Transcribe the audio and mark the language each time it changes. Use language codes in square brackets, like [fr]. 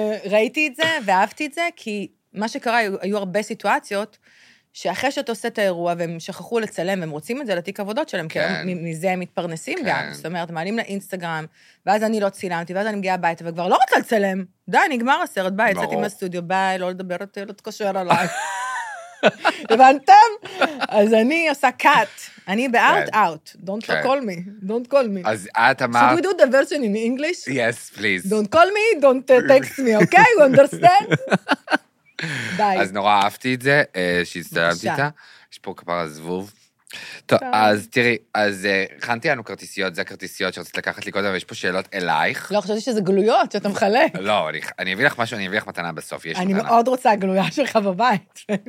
[he] ראיתי את זה ואהבתי את זה, כי מה שקרה, היו הרבה סיטואציות, שאחרי שאת עושה את האירוע, והם שכחו לצלם, והם רוצים את זה לתיק עבודות שלהם, כן. מזה הם מתפרנסים כן. גם. זאת אומרת, מעלים לאינסטגרם, ואז אני לא צילמתי, ואז אני מגיעה הביתה, וכבר לא רוצה לצלם. די, נגמר הסרט, ביי, יצאתי מהסטודיו, ביי, לא לדבר את לא תקשר עליי. הבנתם? אז אני עושה קאט, אני ב- [en] out out, don't call me, don't call me. [he] אז את אמרת... [en] Should we do the version in English? Yes, please. Don't call me, don't text me, okay? You understand? [he] די. אז נורא אהבתי את זה, שהצטלמתי איתה, יש פה כפר הזבוב. טוב, אז תראי, אז הכנתי לנו כרטיסיות, זה הכרטיסיות שרצית לקחת לי קודם, ויש פה שאלות אלייך. לא, חשבתי שזה גלויות, שאתה מחלק. לא, אני אביא לך משהו, אני אביא לך מתנה בסוף, יש מתנה. אני מאוד רוצה הגלויה שלך בבית.